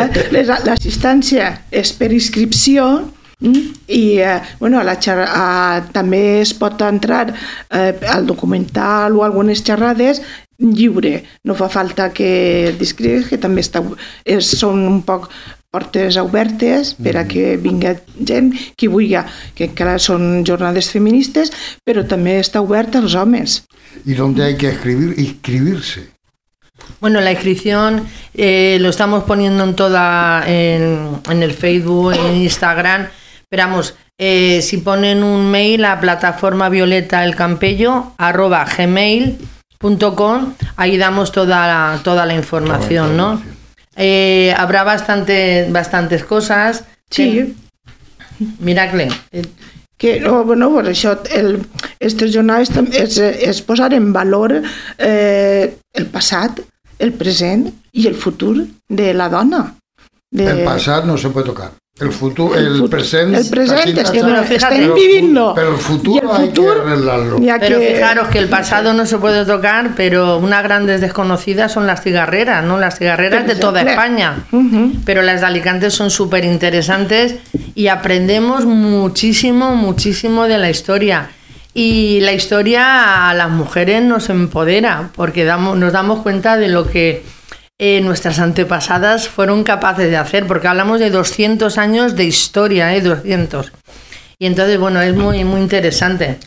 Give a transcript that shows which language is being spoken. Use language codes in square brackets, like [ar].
[ca] L'assistència és per inscripció i, bueno, també es pot entrar al documental o algunes xerrades lliure. No fa falta que t'inscrigues, que també són un poc portes obertes per a que vingui gent qui vulgui, que encara són jornades feministes, però també està obert als homes. [es] ¿Y dónde hay que escribir? Inscribirse. Bueno, la inscripción lo estamos poniendo en toda, en el Facebook, en Instagram. Pero vamos, si ponen un mail a plataformavioletaelcampello@gmail.com, ahí damos toda la información, ¿no? Habrá bastantes cosas. Sí. Miracle. [ca] Que, no, bueno, pues això, aquestes jornades és posar en valor el passat, el present i el futur de la dona. El passat no se pot tocar. El futur, present... El present, estem vivint-lo. Però el futur [es] hay que [ca] arreglar-lo. [es] Però fijaros que el passado no se puede tocar, però una gran desconocida [ca] són les cigarreres, [es] ¿no? Las cigarreras de toda España. [ca] Però les d'Alicante són superinteressants i [es] aprendemos muchísimo, muchísimo de la historia. Y la historia a las mujeres nos empodera, porque nos damos cuenta de lo que... nuestras antepasadas fueron capaces de hacer, porque hablamos de 200 años de historia, 200. Y entonces, bueno, es muy, muy interesante.